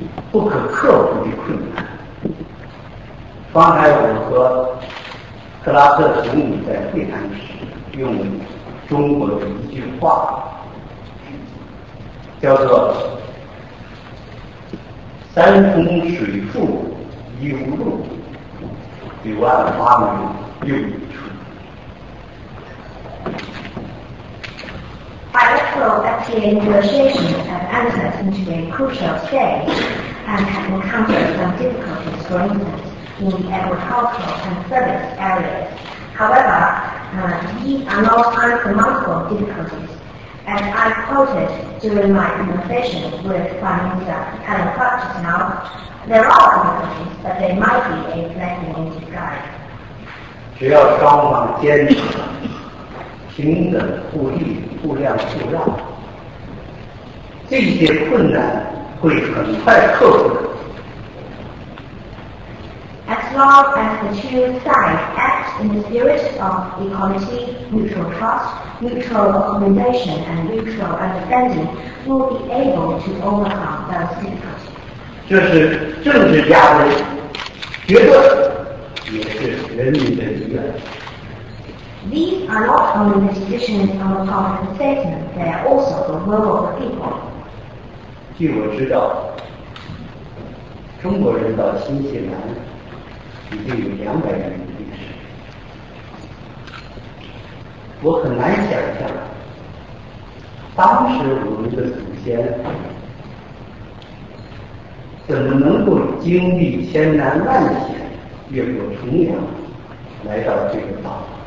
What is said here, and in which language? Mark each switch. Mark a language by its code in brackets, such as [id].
[zh] 不可克服的困难。方才我和克拉克总理在会谈时用中国的一句话叫做山重水复疑无路，柳暗花明又一村。 [en] I also appear in negotiations and enter into a crucial stage and have encountered some difficulties, for instance, in the agricultural and service areas. However, these are not insurmountable difficulties. As I quoted during my conversation with Prime Minister Kalinkov just now, there are difficulties, but they might be a blessing in disguise. [zh] 只要双方坚持平等互利互谅互让，这些困难会很快克服的。 [en] As long as the two sides act in the spirit of equality, mutual trust, mutual accommodation, and mutual understanding, we'll be able to overcome those difficulties. [zh] 这是政治家的决策，也是人民的意愿。 [en] These are not only the decisions on the part of the statesmen, they are also the will of the people. [zh] 据我知道，中国人到新西兰已经有200年的历史。我很难想象，当时我们的祖先怎么能够经历千难万险，越过重洋，来到这个岛。